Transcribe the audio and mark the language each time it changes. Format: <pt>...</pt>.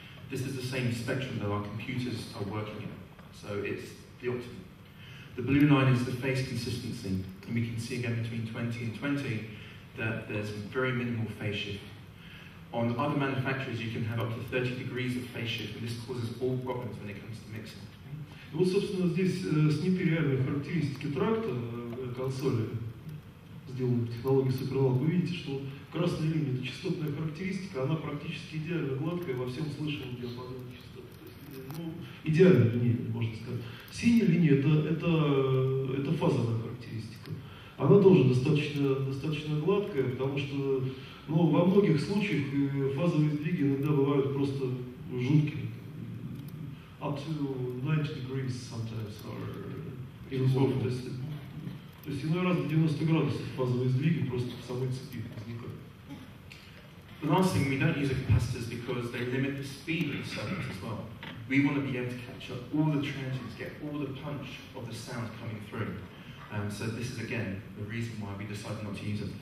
<en>This is the same spectrum that our computers are working in. So it's the optimum. The blue line is the phase consistency. And we can see again between 20 and 20 that there's very minimal phase shift. On other manufacturers, you can have up to 30 degrees of phase shift, and this causes all problems when it comes to mixing.</en> <ru>И вот, собственно, здесь снипи реальные характеристики тракта консоли, сделанной по технологии SuperLog. Вы видите, что красная линия – это частотная характеристика, она практически идеально гладкая во всем слышимом диапазоне частот. Идеальная линия, можно сказать. Синяя линия – это фазовая характеристика. Она тоже достаточно гладкая, потому что но во многих случаях фазовые сдвиги иногда бывают просто жуткими.</ru> <en>Up to 90 degrees sometimes or even more.</en> <ru>То есть иной раз до 90 градусов фазовые сдвиги просто в самой цепи возникают.</ru> <en>The last thing, we don't use capacitors because they limit the speed of the circuits as well. We want to be able to capture all the transients, get all the punch of the sound coming through. So this is again the reason why we decided not to use them.</en>